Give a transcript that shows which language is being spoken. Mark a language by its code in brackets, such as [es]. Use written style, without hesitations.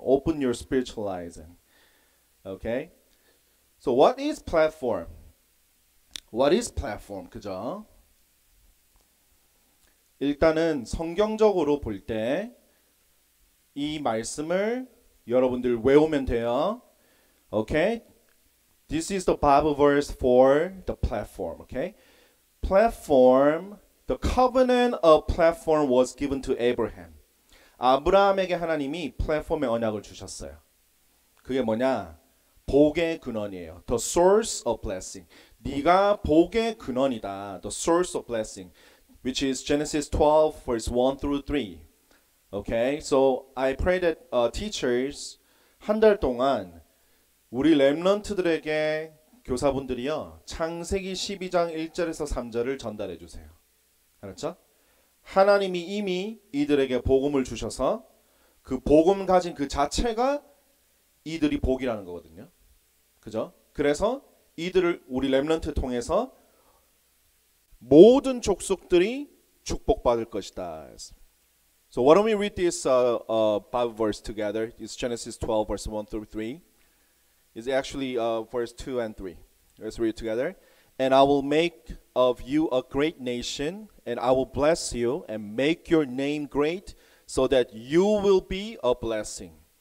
[en] Open your spiritual eyes. Okay? So what is platform? What is platform? [ko] 그죠? 일단은 성경적으로 볼 때 이 말씀을 여러분들 외우면 돼요. [en] Okay? This is the Bible verse for the platform. Okay? Platform, the covenant of platform was given to Abraham. [ko] 아브라함에게 하나님이 플랫폼의 언약을 주셨어요. 그게 뭐냐? 복의 근원이에요. [en] The source of blessing. [ko] 네가 복의 근원이다. [en] The source of blessing. Which is Genesis 12, verse 1 through 3. Okay, so I pray that teachers, [ko] 한 달 동안 우리 렘넌트들에게 교사분들이요, 창세기 12장 1절에서 3절을 전달해 주세요. 알았죠? 하나님이 이미 이들에게 복음을 주셔서 그 복음 가진 그 자체가 이들이 복이라는 거거든요. 그죠? 그래서 이들을 우리 렘넌트 통해서 모든 족속들이 축복받을 것이다. [en] So why don't we read this Bible verse together? It's Genesis 12, verse 1 through 3. It's actually verse 2 and 3. Let's read it together. And I will make of you a great nation, and I will bless you and make your name great so that you will be a blessing.